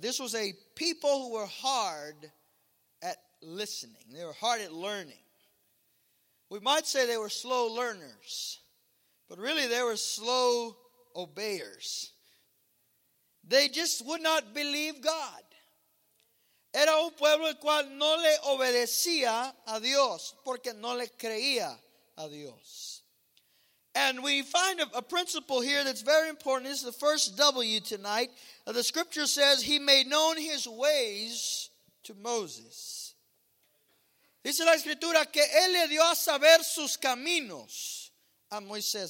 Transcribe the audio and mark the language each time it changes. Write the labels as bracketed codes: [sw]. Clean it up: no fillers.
[en] This was a people who were hard at listening. They were hard at learning. We might say they were slow learners, but really they were slow obeyers. They just would not believe God. [es] Era un pueblo el cual no le obedecía a Dios porque no le creía a Dios. [en] And we find a principle here that's very important. This is the first W tonight. The scripture says he made known his ways to Moses. [es] Dice la escritura que él le dio a saber sus caminos a Moisés.